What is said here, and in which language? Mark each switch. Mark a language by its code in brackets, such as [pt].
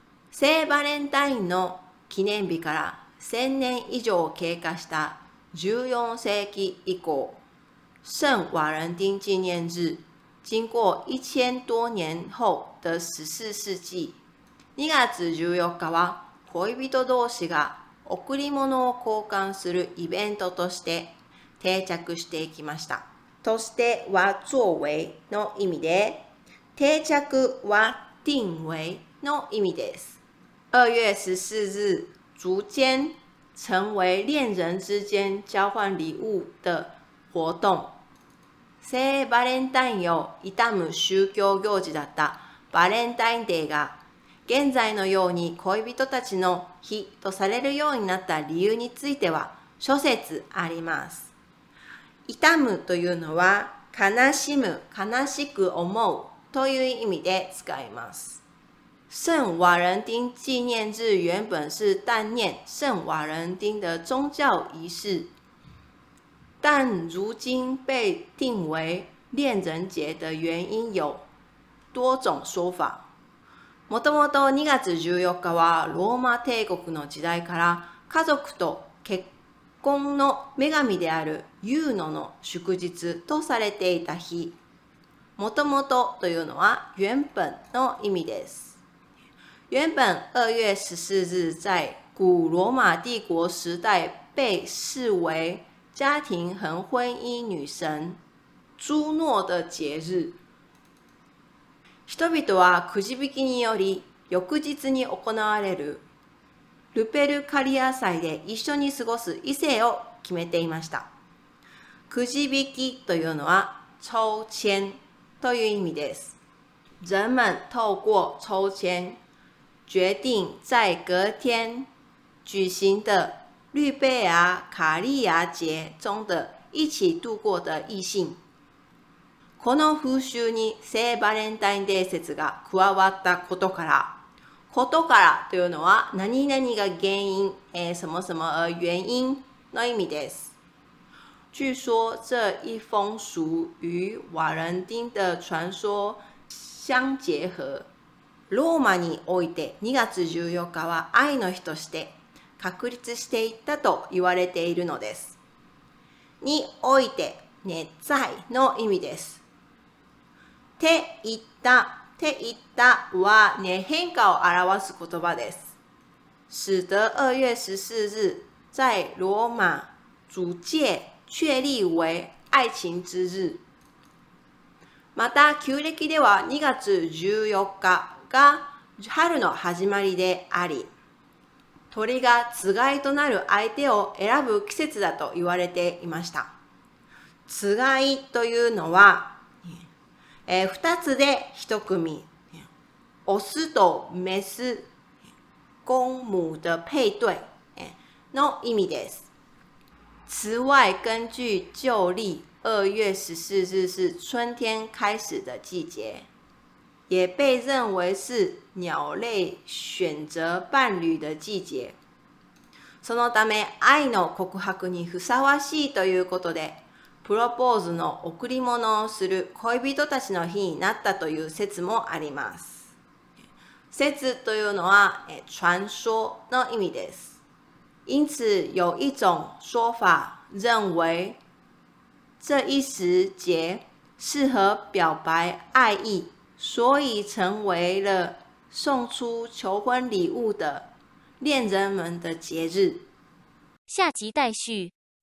[ja] 聖バレンタインの記念日から1000年以上経過した14世紀以降、 [zh] 聖瓦伦丁紀念日、經過1000多年後的14世紀、 [ja] 2月14日は恋人同士が贈り物を交換するイベントとして定着していきました。としては作為の意味で、定着は定為の意味です。 [zh] 2月14日、逐漸成為戀人之間交換禮物的活動。 [ja] 聖バレンタインを悼む宗教行事だったバレンタインデーが、現在のように恋人たちの日とされるようになった理由については、諸説あります。痛むというのは、悲しむ、悲しく思うという意味で使います。 [zh] 聖瓦伦丁紀念日原本是断念聖瓦伦丁的宗教仪式。但如今被定为恋人节的原因有多种说法。 [ja] もともと2月14日はローマ帝国の時代から家族と結婚の女神であるユーノの祝日とされていた日。もともとというのは原本の意味です。 [zh] 原本2月14日在古罗马帝国时代被视为家庭和婚姻女神朱诺的节日。 [ja] 人々はくじ引きにより翌日に行われるルペルカリア祭で一緒に過ごす異性を決めていました。くじ引きというのは抽签という意味です。 [zh] 人们透过抽签决定在隔天举行的绿贝亚卡利亚节中的一起度过的异性。 [ja] この風習に聖バレンタインデー説が加わったことから、ことからというのは何々が原因、そもそも原因の意味です。 [zh] 据说这一风俗与瓦伦丁的传说相结合。 [ja] ローマにおいて2月14日は愛の日として確立していったと言われているのです。において、ね、在の意味です。て言ったは、ね、変化を表す言葉です。 [zh] 使得2月14日在ローマ逐渐确立为爱情之日。 [ja] また旧暦では2月14日が春の始まりであり、鳥がつがいとなる相手を選ぶ季節だと言われていました。つがいというのは、2つで1組、オスとメス、 [zh] 公母的配对 [ja] の意味です。 [zh] 此外根据旧历2月14日是春天开始的季节，也被认为是鸟类选择伴侣的季节。 [ja] そのため愛の告白にふさわしいということで、プロポーズの贈り物をする恋人たちの日になったという説もあります。説というのは传说の意味です。 [zh] 因此有一种说法认为这一时节适合表白爱意，所以成为了送出求婚礼物的恋人们的节日。下集待续。